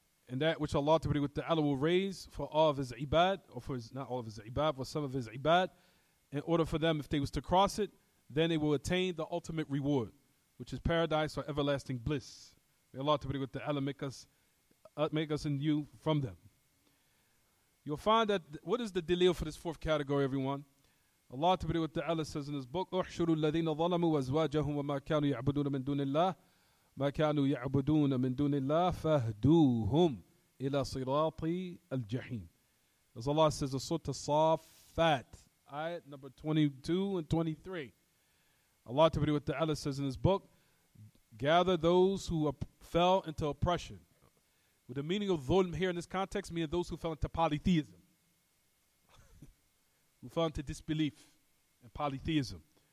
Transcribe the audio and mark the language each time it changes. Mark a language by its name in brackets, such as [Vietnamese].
[English] And that which Allah Ta'ala will raise for all of his ibad, or for his, not all of his ibad, but some of his ibad, in order for them, if they was to cross it, then they will attain the ultimate reward, which is paradise or everlasting bliss. May Allah Ta'ala make us and you from them. You'll find that, what is the delil for this fourth category, everyone? Allah Ta'ala says in his book, [Arabic] أُحْشُرُوا الَّذِينَ ظَلَمُوا وَأَزْوَاجَهُمْ وَمَا كَانُوا يَعْبُدُونَ مِن دُونِ اللَّهِ مَا كَانُوا يَعْبُدُونَ مِن دُونِ اللَّهِ فَهْدُوهُمْ إِلَى صِرَاطِ الْجَحِيمِ. [English] As Allah says in Surah As-Saffat, ayat number 22 and 23, Allah says in his book, gather those who fell into oppression. With the meaning of dhulm here in this context, meaning those who fell into polytheism, who fell into disbelief and polytheism.